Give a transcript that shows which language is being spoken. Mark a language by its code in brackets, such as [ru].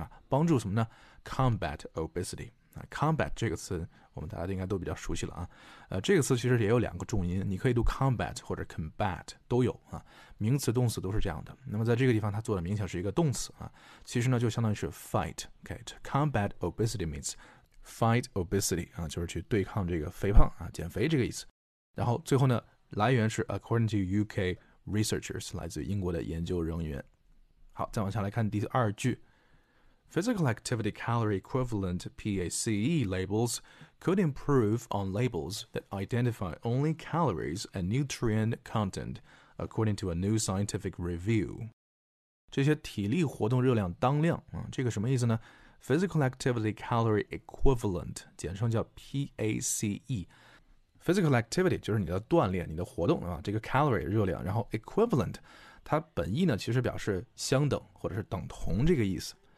[zh] 帮助什么呢 combat obesity, combat 这个词我们大家应该都比较熟悉了啊，这个词其实也有两个重音，你可以读 combat 或者 combat 都有啊，名词动词都是这样的，那么在这个地方它做的明显是一个动词啊，其实呢就相当于是 fight, okay, [en] to combat obesity means fight obesity, [zh] 啊，就是去对抗这个肥胖啊，减肥这个意思，然后最后呢来源是 [en] according to UK researchers, [zh] 来自英国的研究人员。好，再往下来看第二句。 [en] Physical activity calorie equivalent PACE labels could improve on labels that identify only calories and nutrient content, according to a new scientific review. [zh] 这些体力活动热量当量、这个什么意思呢 Physical Activity Calorie Equivalent 简称叫 PACE Physical Activity 就是你的锻炼你的活动、这个 Calorie 热量然后 Equivalent 它本意呢其实表示相等或者是等同这个意思